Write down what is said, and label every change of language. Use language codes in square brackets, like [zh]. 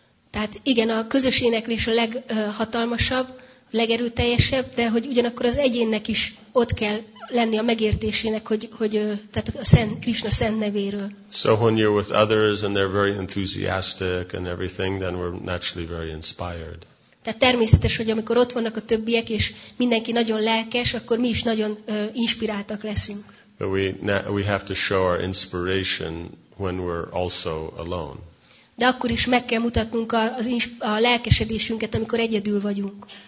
[hu] Tehát igen, a közös éneklés a leghatalmasabb, legerőteljesebb, de hogy ugyanakkor az egyénnek is ott kell lenni a megértésének, hogy tehát a szent Krishna szent nevéről. [en] So when you're with others and they're very enthusiastic and everything, then we're naturally very inspired. [hu] Tehát természetes, hogy amikor ott vannak a többiek és mindenki nagyon lelkes, akkor mi is nagyon inspiráltak leszünk. [en] But we have to show our inspiration when we're also alone. [hu] De akkor is meg kell mutatnunk a lelkesedésünket, amikor egyedül vagyunk.